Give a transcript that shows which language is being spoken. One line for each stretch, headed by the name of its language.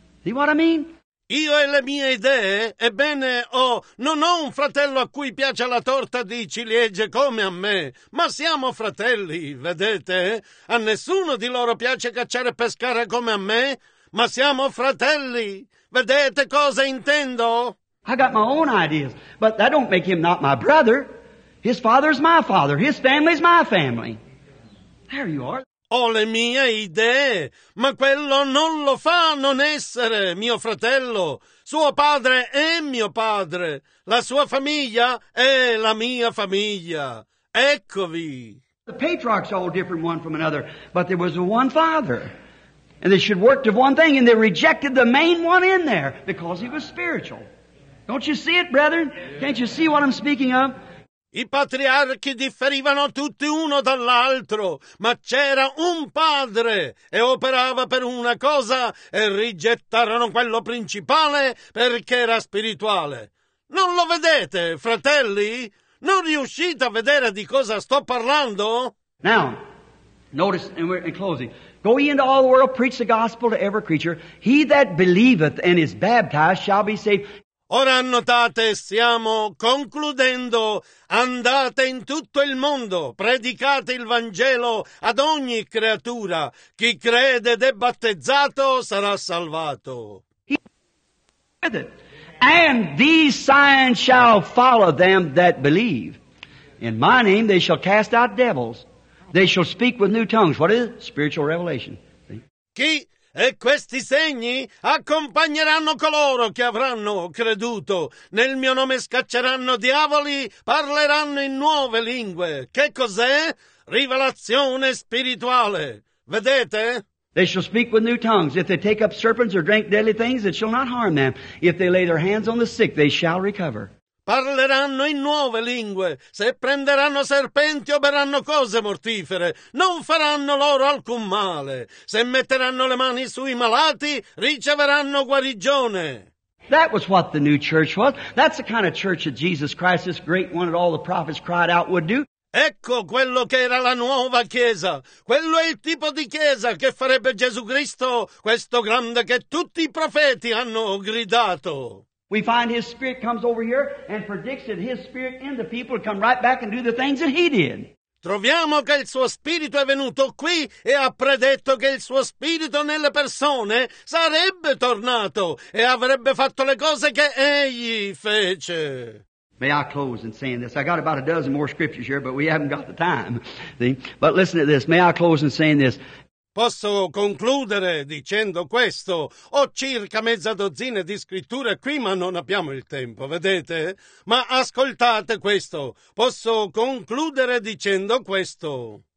English: See what I mean?
Italian: Io e le mie idee, ebbene, non ho un fratello a cui piace la torta di ciliegie come a me, ma siamo fratelli, vedete? A nessuno di loro piace cacciare e pescare come a me, ma siamo fratelli. Vedete cosa intendo?
English: I got my own ideas, but that don't make him not my brother. His father's my father, his family's my family. There you are.
Italian: Ho le mie idee, ma quello non lo fa non essere mio fratello. Suo padre è mio padre. La sua famiglia è la mia famiglia. Eccovi.
English: The patriarchs all different one from another, but there was one father. And they should work to one thing, and they rejected the main one in there because he was spiritual. Don't you see it, brethren? Can't you see what I'm speaking of?
Italian: I patriarchi differivano tutti uno dall'altro, ma c'era un padre e operava per una cosa e rigettarono quello principale perché era spirituale. Non lo vedete, fratelli? Non riuscite a vedere di cosa sto parlando?
English: Now, notice, and we're in closing. Go ye into all the world, preach the gospel to every creature. He that believeth and is baptized shall be saved.
Italian: Ora notate, stiamo concludendo. Andate in tutto il mondo, predicate il Vangelo ad ogni creatura. Chi crede ed è battezzato sarà salvato.
English: And these signs shall follow them that believe. In my name they shall cast out devils. They shall speak with new tongues. What is it? Spiritual revelation.
Italian: Chi? E questi segni accompagneranno coloro che avranno creduto. Nel mio nome scacceranno diavoli, parleranno in nuove lingue. Che cos'è? Rivelazione spirituale. Vedete?
English: They shall speak with new tongues. If they take up serpents or drink deadly things, it shall not harm them. If they lay their hands on the sick, they shall recover.
Italian: Parleranno in nuove lingue. Se prenderanno serpenti o berranno cose mortifere, non faranno loro alcun male. Se metteranno le mani sui malati, riceveranno guarigione.
English: That was what the new church was. That's the kind of church that Jesus Christ, this great one that all the prophets cried out would do.
Italian: Ecco quello che era la nuova chiesa. Quello è il tipo di chiesa che farebbe Gesù Cristo, questo grande che tutti i profeti hanno gridato.
English: We find his spirit comes over here and predicts that his spirit in the people will come right back and do the things that he did.
Italian: Troviamo che il suo spirito è venuto qui e ha predetto che il suo spirito nelle persone sarebbe tornato e avrebbe fatto le cose che egli fece.
English: May I close in saying this? I got about a dozen more scriptures here, but we haven't got the time. See? But listen to this. May I close in saying this?
Italian: Posso concludere dicendo questo. Ho circa mezza dozzina di scritture qui, ma non abbiamo il tempo, vedete? Ma ascoltate questo. Posso concludere dicendo questo.